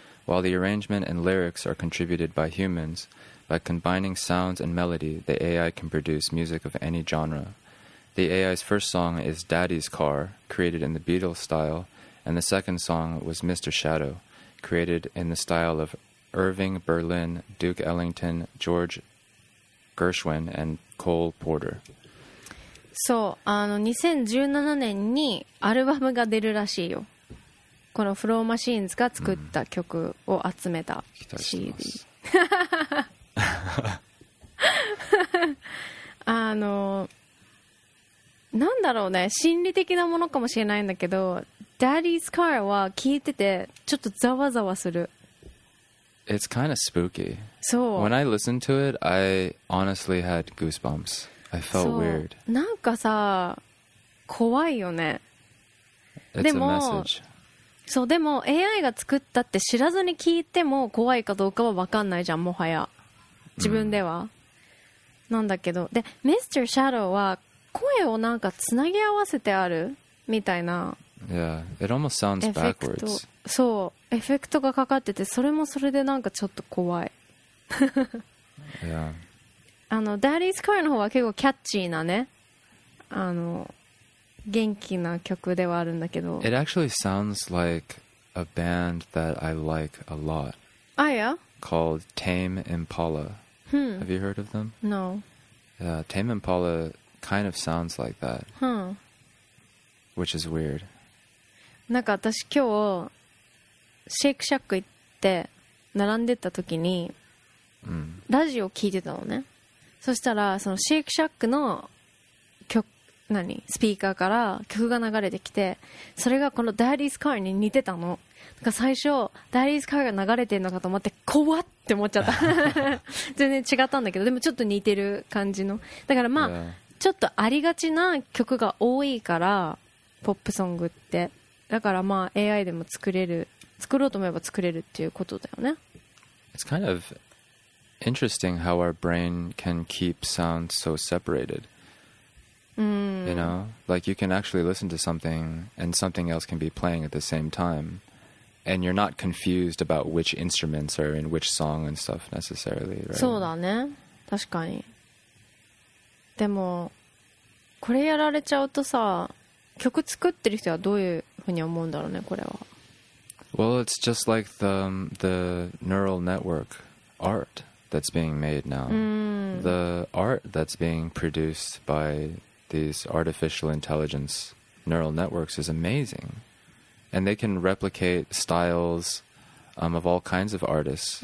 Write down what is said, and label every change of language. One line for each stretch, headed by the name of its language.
English: While the arrangement and lyrics are contributed by humans, by combining sounds and melody, the AI can produce music of any genre. The AI's first song is Daddy's Car, created in the Beatles style,And the second song was Mr. Shadow, created in the style of Irving Berlin, Duke Ellington, George Gershwin, and Cole Porter.
Japanese: そう、あの2017年にアルバムが出るらしいよ。このフローマシーンズが作った曲を集めた CD。あの、なんだろうね、心理的なものかもしれないんだけど、Daddy's Car は聞いててちょっとざわざわする。
English: It's kind of spooky.
Japanese: そう、
English: When I listened to it, I honestly had goosebumps. I felt weird.
Japanese: なんかさ、怖いよね。
English: It's a message.
Japanese: そう、でも AI が作ったって知らずに聞いても怖いかどうかは分かんないじゃん、もはや自分では、mm. なんだけど、で、 Mr. Shadow は声をなんかつなぎ合わせてあるみたいな。
English: Yeah, it almost sounds backwards.
Japanese: そう、エフェクトがかかってて、それもそれでなんかちょっと怖い。
English: yeah.
Japanese: あの、Daddy's Car の方は結構キャッチーなね、あの、元気な曲ではあるんだけど。
English: It actually sounds like a band that I like a lot.
Japanese: あ、や？
English: Called Tame Impala. Hmm. Have you heard of them? No. Yeah, Tame Impala kind of sounds like that. Hmm. Which is weird.
Japanese: なんか私今日シェイクシャック行って並んでた時にラジオ聞いてたのね、うん、そしたらそのシェイクシャックの曲、何、スピーカーから曲が流れてきて、それがこのダディーズカーに似てたの。なんか最初ダディーズカーが流れてるのかと思って怖って思っちゃった。全然違ったんだけど、でもちょっと似てる感じの、だからまあ、yeah. ちょっとありがちな曲が多いから、ポップソングって、だからまあ AI でも作れる、作ろうと思えば作れるっていうことだよね。
English: It's kind of interesting how our brain can keep sounds so separated. You know, like you can actually listen to something and something else can be playing at the same time, and you're not confused about which instruments are in which song and stuff necessarily, right?
Japanese: そうだね、確かに。でもこれやられちゃうとさ、曲作ってる人はどういうふうに思うんだろうね、これは。
English: Well, it's just like the neural network art that's being made now. The art that's being produced by these artificial intelligence neural networks is amazing. And they can replicate styles of all kinds of artists.